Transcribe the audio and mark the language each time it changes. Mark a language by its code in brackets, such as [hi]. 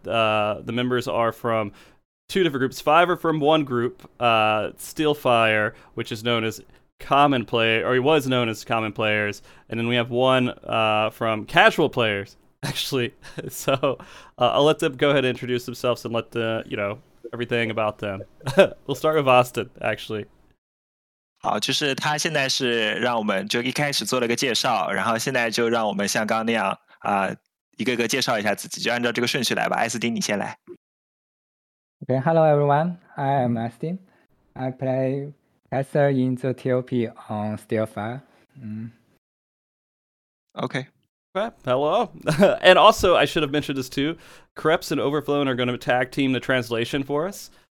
[en] The members are from two different groups. Five are from one group, Steel Fire, which is known as Common Player, or he was known as Common Players. And then we have one from Casual Players, actually. So I'll let them go ahead and introduce themselves and let the, you know, everything about them. We'll start with Austin, actually. [zh] 好，就是他现在是让我们就一开始做了个介绍，然后现在就让我们像刚刚那样啊，一个一个介绍一下自己，就按照这个顺序来吧。艾斯汀，你先来。 [en] Okay, hello everyone. I am Austin. I play caster in the TOP on Steelfire. Okay. Hello. And also, I should have mentioned this too. Kreps and Overflown are going to tag team the translation for us.